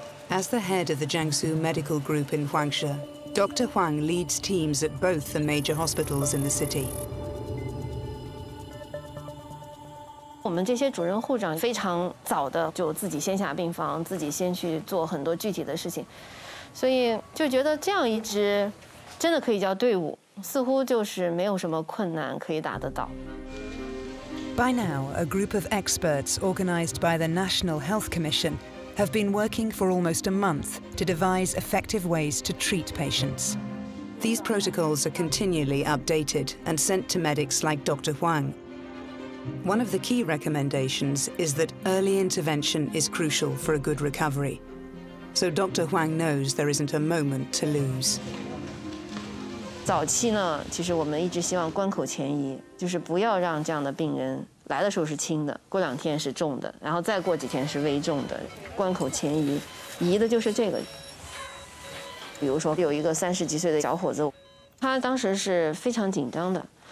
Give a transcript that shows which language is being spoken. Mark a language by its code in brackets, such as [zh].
[en] As the head of the Jiangsu Medical Group in Huangshe, Dr. Huang leads teams at both the major hospitals in the city. [zh] 我们这些主任护长非常早的就自己先下病房，自己先去做很多具体的事情，所以就觉得这样一支真的可以叫队伍，似乎就是没有什么困难可以打得到。 [en] By now, a group of experts organized by the National Health Commission have been working for almost a month to devise effective ways to treat patients. These protocols are continually updated and sent to medics like Dr. Huang. One of the key recommendations is that early intervention is crucial for a good recovery. So Dr. Huang knows there isn't a moment to lose. [zh] 早期呢，其实我们一直希望关口前移，就是不要让这样的病人来的时候是轻的，过两天是重的，然后再过几天是危重的。关口前移，移的就是这个。比如说有一个三十几岁的小伙子，他当时是非常紧张的。